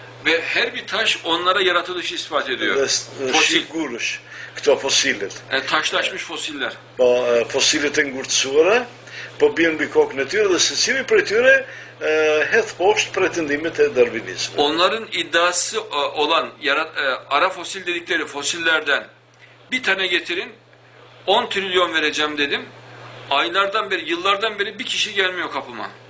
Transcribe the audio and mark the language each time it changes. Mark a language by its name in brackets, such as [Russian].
[Turkish] Ve her bir taş onlara yaratılışı ispat ediyor. [Albanian] Fosil guruş. Këto fosilet. [Turkish] Taşlaşmış fosiller. [Albanian] Po fosilet ngurtësuara, po bien mbi kokën e tyre dhe secili prej tyre hedh poshtë pretendimet e darwinistëve. [Turkish] Onların iddiası olan ara fosil dedikleri fosillerden bir tane getirin, 10 trilyon vereceğim dedim. Aylardan beri, yıllardan beri bir kişi gelmiyor kapıma.